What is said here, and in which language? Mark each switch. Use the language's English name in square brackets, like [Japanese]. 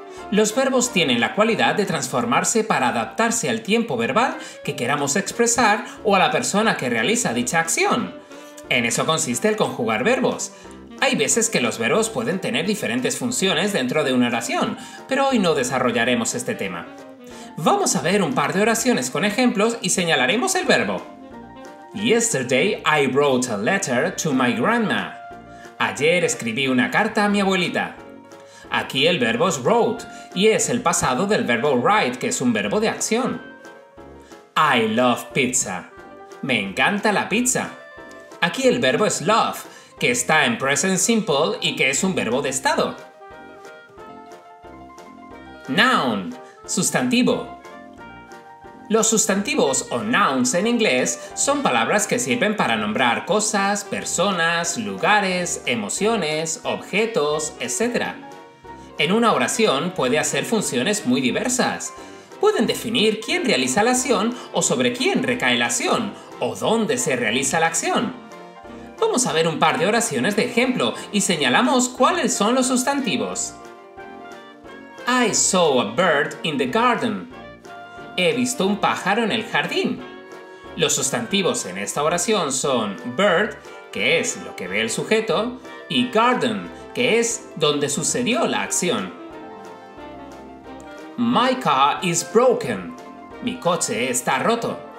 [Spanish] Los verbos tienen la cualidad de transformarse para adaptarse al tiempo verbal que queramos expresar o a la persona que realiza dicha acción. En eso consiste el conjugar verbos. Hay veces que los verbos pueden tener diferentes funciones dentro de una oración, pero hoy no desarrollaremos este tema. Vamos a ver un par de oraciones con ejemplos y señalaremos el verbo. [English] Yesterday I wrote a letter to my grandma. [Spanish] Ayer escribí una carta a mi abuelita. Aquí el verbo es wrote y es el pasado del verbo write, que es un verbo de acción. [English] I love pizza. [Spanish] Me encanta la pizza. Aquí el verbo es love, que está en present simple y que es un verbo de estado. Noun, sustantivo. Los sustantivos o nouns en inglés son palabras que sirven para nombrar cosas, personas, lugares, emociones, objetos, etc. En una oración puede hacer funciones muy diversas. Pueden definir quién realiza la acción o sobre quién recae la acción o dónde se realiza la acción. Vamos a ver un par de oraciones de ejemplo y señalamos cuáles son los sustantivos. [English] I saw a bird in the garden. [Spanish] He visto un pájaro en el jardín. Los sustantivos en esta oración son bird, que es lo que ve el sujeto, y garden, que es donde sucedió la acción. [English] My car is broken. [Spanish] Mi coche está roto.